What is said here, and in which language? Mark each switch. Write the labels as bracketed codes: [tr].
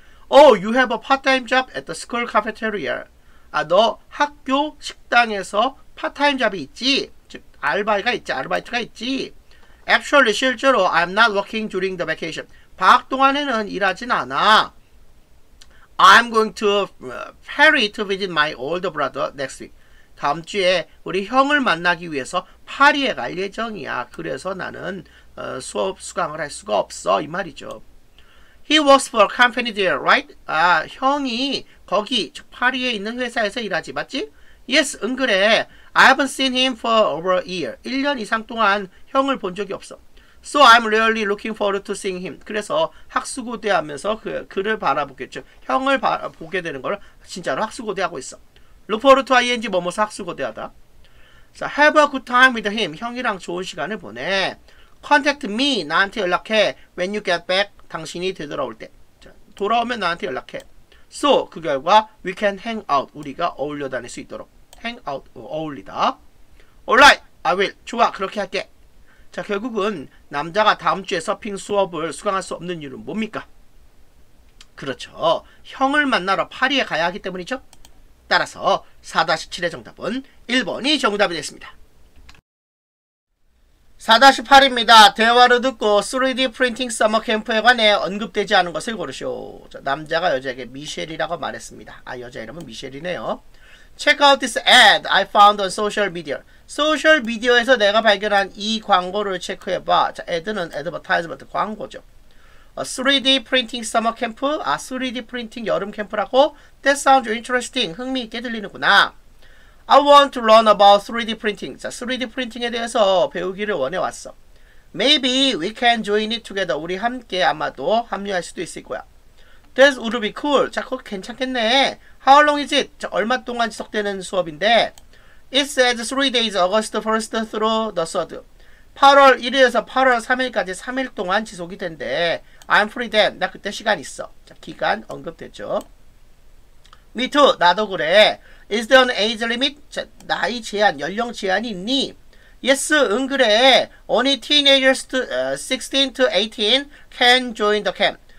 [en] Oh, you have a part-time job at the school cafeteria. [ko] 아, 너 학교 식당에서 [en] part-time job [ko] 이 있지? 즉, 알바가 있지? 아르바이트가 있지? [en] Actually, [ko] 실제로 [en] I'm not working during the vacation. [ko] 방학 동안에는 일하진 않아. [en] I'm going to Paris to visit my older brother next week. [ko] 다음 주에 우리 형을 만나기 위해서 파리에 갈 예정이야. 그래서 나는 수업 수강을 할 수가 없어. 이 말이죠. [en] He works for a company there, right? [ko] 아, 형이 거기 즉 파리에 있는 회사에서 일하지 맞지? [en] Yes, [ko] 응 그래. [en] I haven't seen him for over a year. [ko] 1년 이상 동안 형을 본 적이 없어. [en] So I'm really looking forward to seeing him. [ko] 그래서 학수고대하면서 그를 바라보겠죠. 형을 보게 되는 걸 진짜로 학수고대하고 있어. [en] Look forward to ing [ko] 뭐뭐서 학수고대하다. [en] So have a good time with him. [ko] 형이랑 좋은 시간을 보내. [en] Contact me. [ko] 나한테 연락해. [en] When you get back. [ko] 당신이 되돌아올 때. 자, 돌아오면 나한테 연락해. [en] So [ko] 그 결과 [en] we can hang out. [ko] 우리가 어울려 다닐 수 있도록. [en] Hang out. [ko] 어울리다. [en] Alright. I will. [ko] 좋아. 그렇게 할게. 자, 결국은 남자가 다음 주에 서핑 수업을 수강할 수 없는 이유는 뭡니까? 그렇죠. 형을 만나러 파리에 가야 하기 때문이죠. 따라서 4-7의 정답은 1번이 정답이 됐습니다. 4-8입니다. 대화를 듣고 3D 프린팅 서머 캠프에 관해 언급되지 않은 것을 고르쇼. 자, 남자가 여자에게 미셸이라고 말했습니다. 아, 여자 이름은 미셸이네요. [en] Check out this ad I found on social media. [ko] 소셜미디어에서 내가 발견한 이 광고를 체크해봐. 자, 애드는 애드버타이즈먼트 광고죠. 3D 프린팅 서머 캠프. 아, 3D 프린팅 여름 캠프라고? [en] That sounds interesting. [ko] 흥미있게 들리는구나. [en] I want to learn about 3D printing. [ko] 자, 3D 프린팅에 대해서 배우기를 원해왔어. [en] Maybe we can join it together. [ko] 우리 함께 아마도 합류할 수도 있을 거야. [en] That would be cool. [ko] 자, 그거 괜찮겠네. [en] How long is it? [ko] 자, 얼마 동안 지속되는 수업인데? [en] It says 3 days, August 1st through the 3rd. [ko] 8월 1일에서 8월 3일까지 3일 동안 지속이 된대. [en] I'm free then. [ko] 나 그때 시간 있어. 자, 기간 언급됐죠. [en] Me too. [ko] 나도 그래. [en] Is there an age limit? [ko] 자, 나이 제한, 연령 제한이 있니? [en] Yes, [ko] 응 그래. [en] Only teenagers to, 16 to 18 can join the camp.